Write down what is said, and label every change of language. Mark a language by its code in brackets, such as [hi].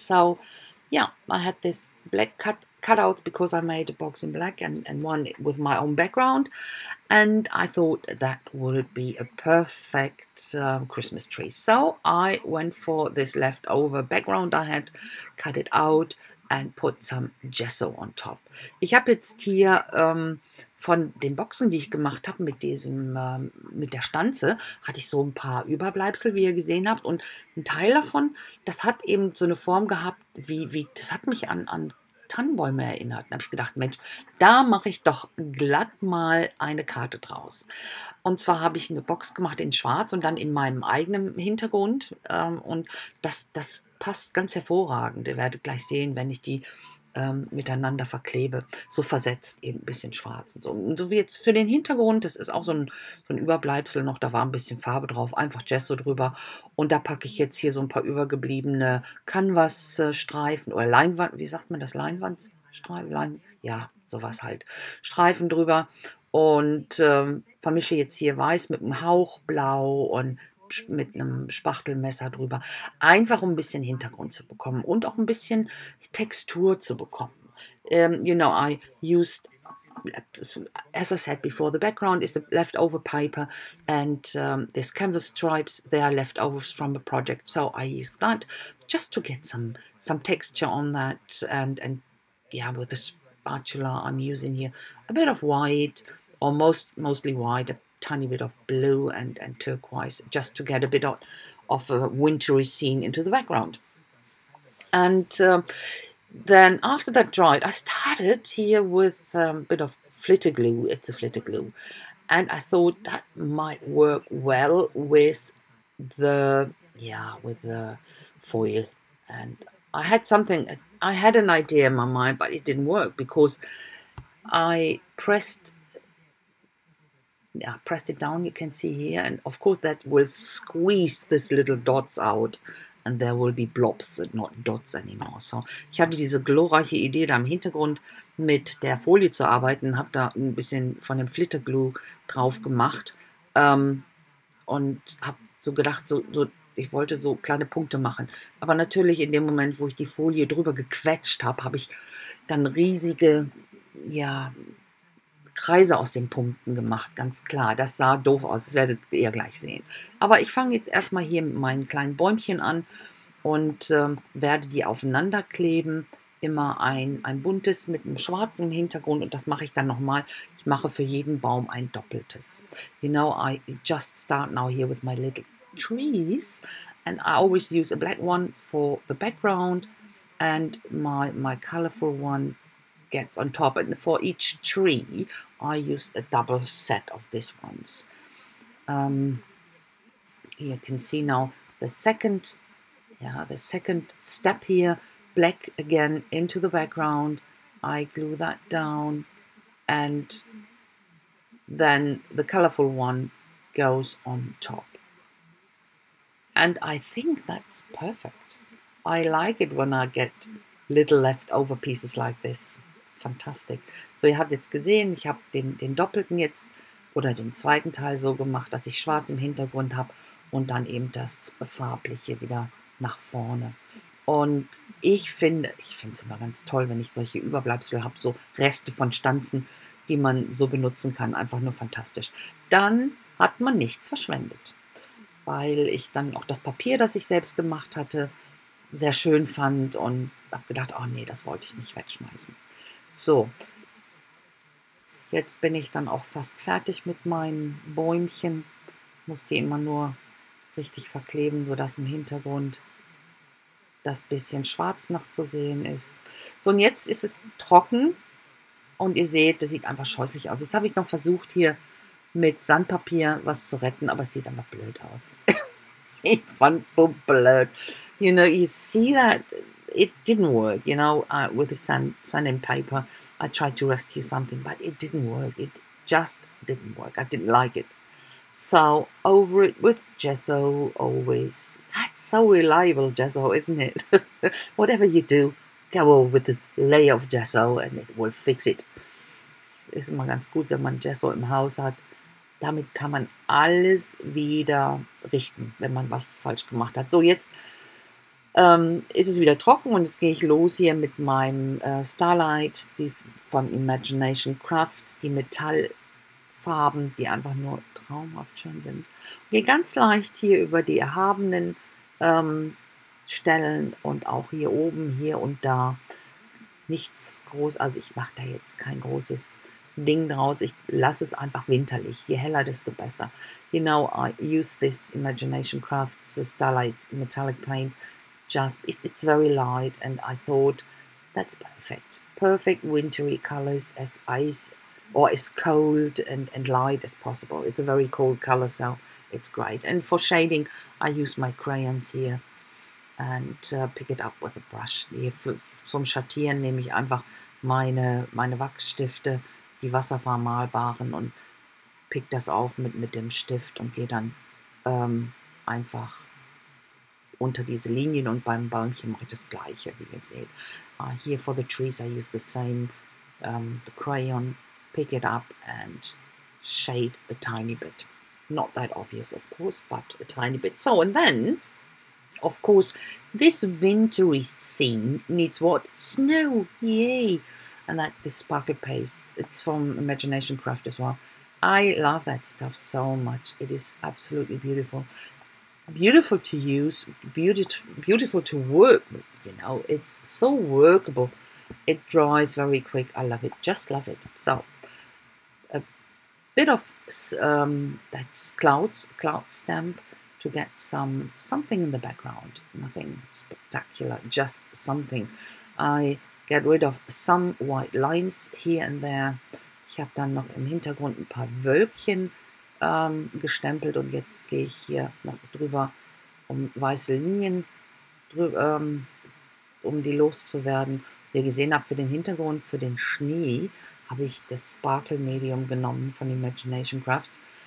[en] So yeah, I had this black cut out because I made a box in black and one with my own background, and I thought that would be a perfect Christmas tree. So I went for this leftover background I had, cut it out and put some gesso on top. [de] Ich habe jetzt hier von den Boxen, die ich gemacht habe mit diesem mit der Stanze, hatte ich so ein paar Überbleibsel, wie ihr gesehen habt, und ein Teil davon, das hat eben so eine Form gehabt, wie das hat mich an Tannenbäume erinnert. Da habe ich gedacht, Mensch, da mache ich doch glatt mal eine Karte draus. Und zwar habe ich eine Box gemacht in Schwarz und dann in meinem eigenen Hintergrund. Und das passt ganz hervorragend. Ihr werdet gleich sehen, wenn ich die miteinander verklebe, so versetzt eben ein bisschen Schwarz. Und so wie jetzt für den Hintergrund, das ist auch so ein Überbleibsel noch, da war ein bisschen Farbe drauf, einfach Gesso drüber. Und da packe ich jetzt hier so ein paar übergebliebene Canvas-Streifen oder Leinwand, wie sagt man das, Leinwandstreifen, ja, sowas halt, Streifen drüber, und vermische jetzt hier Weiß mit einem Hauch Blau und mit einem Spachtelmesser drüber, einfach um ein bisschen Hintergrund zu bekommen und auch ein bisschen Textur zu bekommen. [en] You know, I used, as I said before, the background is a leftover paper and these canvas stripes, they are leftovers from a project. So I used that just to get some texture on that, and yeah, with the spatula I'm using here, a bit of white, or mostly white, tiny bit of blue and turquoise, just to get a bit of a wintry scene into the background. And then after that dried, I started here with a bit of flitter glue. It's a flitter glue. And I thought that might work well with the, yeah, with the foil. And I had something, I had an idea in my mind, but it didn't work because I pressed it down, you can see here, and of course that will squeeze these little dots out and there will be blobs and not dots anymore. [de] So ich hatte diese glorreiche Idee, da im Hintergrund mit der Folie zu arbeiten, habe da ein bisschen von dem Flitterglue drauf gemacht und habe so gedacht, ich wollte so kleine Punkte machen. Aber natürlich in dem Moment, wo ich die Folie drüber gequetscht habe, habe ich dann riesige, ja, Kreise aus den Punkten gemacht, ganz klar. Das sah doof aus, das werdet ihr gleich sehen. Aber ich fange jetzt erstmal hier mit meinen kleinen Bäumchen an und werde die aufeinander kleben. Immer ein buntes mit einem schwarzen Hintergrund, und das mache ich dann nochmal. Ich mache für jeden Baum ein doppeltes. [en] You know, I just start now here with my little trees and I always use a black one for the background and my colorful one gets on top, and for each tree I use a double set of these ones. You can see now the second step here, black again into the background, I glue that down, and then the colorful one goes on top, and I think that's perfect. I like it when I get little leftover pieces like this. Fantastic. [de] So ihr habt jetzt gesehen, ich habe den doppelten jetzt oder den zweiten Teil so gemacht, dass ich schwarz im Hintergrund habe und dann eben das Farbliche wieder nach vorne. Und ich finde es immer ganz toll, wenn ich solche Überbleibsel habe, so Reste von Stanzen, die man so benutzen kann. Einfach nur fantastisch. Dann hat man nichts verschwendet, weil ich dann auch das Papier, das ich selbst gemacht hatte, sehr schön fand und habe gedacht, oh nee, das wollte ich nicht wegschmeißen. So, jetzt bin ich dann auch fast fertig mit meinen Bäumchen. Muss die immer nur richtig verkleben, sodass im Hintergrund das bisschen schwarz noch zu sehen ist. So, und jetzt ist es trocken und ihr seht, das sieht einfach scheußlich aus. Jetzt habe ich noch versucht, hier mit Sandpapier was zu retten, aber es sieht einfach blöd aus. Ich fand es so blöd. [en] You know, you see that? It didn't work, you know, with the sand and paper. I tried to rescue something, but it didn't work. It just didn't work. I didn't like it. So over it with gesso always. That's so reliable, gesso, isn't it? Whatever you do, go over with the layer of gesso and it will fix it. [de] Ist immer ganz gut, wenn man Gesso im Haus hat. Damit kann man alles wieder richten, wenn man was falsch gemacht hat. So, jetzt ist es wieder trocken und jetzt gehe ich los hier mit meinem Starlight, die von Imagination Crafts, die Metallfarben, die einfach nur traumhaft schön sind. Und gehe ganz leicht hier über die erhabenen Stellen und auch hier oben, hier und da. Nichts groß, also ich mache da jetzt kein großes Ding draus. Ich lasse es einfach winterlich. Je heller, desto besser. [en] You know, I use this Imagination Crafts Starlight Metallic Paint. Just, it's very light and I thought that's perfect. Perfect wintry colors as ice or as cold and light as possible. It's a very cold color, so it's great. And for shading, I use my crayons here and pick it up with a brush. [de] Hier zum Schattieren nehme ich einfach meine Wachsstifte, die wasserfarbenmalbaren, und pick das auf mit dem Stift und gehe dann einfach unter diese Linien, und beim Bäumchen mache ich das gleiche, wie ihr seht. [en] Here for the trees I use the same the crayon, pick it up and shade a tiny bit. Not that obvious, of course, but a tiny bit. So, and then, of course, this wintry scene needs what? Snow, yay! And that, this sparkle paste, it's from Imagination Craft as well. I love that stuff so much. It is absolutely beautiful. Beautiful to use, beautiful to work with, you know. It's so workable. It dries very quick. I love it, just love it. So, a bit of that's cloud stamp to get something in the background. Nothing spectacular, just something. I get rid of some white lines here and there. [de] Ich habe dann noch im Hintergrund ein paar Wölkchen gestempelt und jetzt gehe ich hier noch drüber, um weiße Linien drüber, um die loszuwerden. Wie ihr gesehen habt, für den Hintergrund, für den Schnee, habe ich das Sparkle Medium genommen von Imagination Crafts.